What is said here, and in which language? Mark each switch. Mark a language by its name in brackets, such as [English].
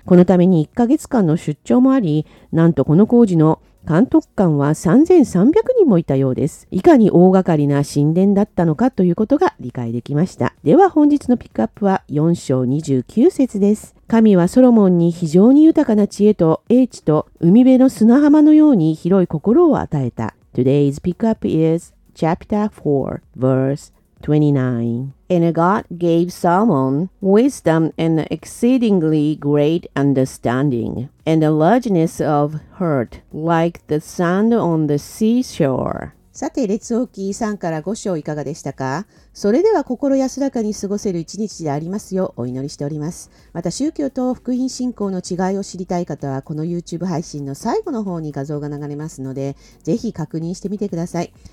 [Japanese] このために1ヶ月間の出張もあり、なんとこの工事の監督官は3300人もいたようです。いかに大掛かりな神殿だったのかということが理解できました。では本日のピックアップは4章29節です。神はソロモンに非常に豊かな知恵と英知と海辺の砂浜のように広い心を与えた。 [English] Today's pick up is chapter 4 verse 29. And God gave Solomon wisdom and exceedingly great understanding, and a largeness of heart like the sand on the seashore. [Japanese] さて、列王記3から5章いかがでしたか？それでは心安らかに過ごせる一日でありますようお祈りしております。また宗教と福音信仰の違いを知りたい方は、この YouTube 配信の最後の方に画像が流れますので、ぜひ確認してみてください。